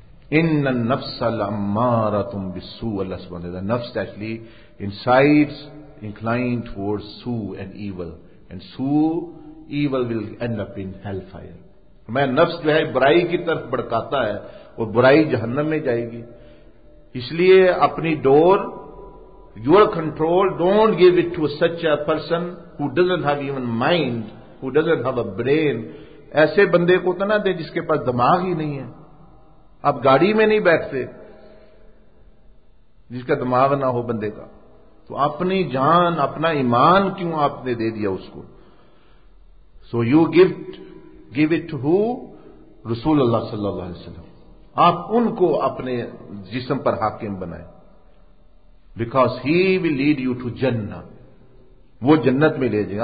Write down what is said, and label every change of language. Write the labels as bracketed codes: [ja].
[en] In [ar] النفس الأمارة بالسوء, [en] Allah subhanahu wa ta'ala, the nafs actually incites, inclined towards سوء and evil, and سوء, evil will end up in hellfire. [ur] میں نفس جو ہے برائی کی طرف بڑھکاتا ہے, اور برائی جہنم میں جائے گی. اس لیے اپنی ڈور, [en] your control, don't give it to such a person who doesn't have even mind, who doesn't have a brain. [ur] ایسے بندے کو تو نہ دے جس کے پاس دماغ ہی نہیں ہے. آپ گاڑی میں نہیں بیٹھتے جس کا دماغ نہ ہو بندے کا, تو اپنی جان, اپنا ایمان کیوں آپ نے دے دیا اس کو. [en] so you give it who, [ur] رسول اللہ صلی اللہ علیہ وسلم, آپ ان کو اپنے جسم پر حاکم بنائیں, [en] because he will lead you to جنت, [ur] وہ جنت میں لے جائیں.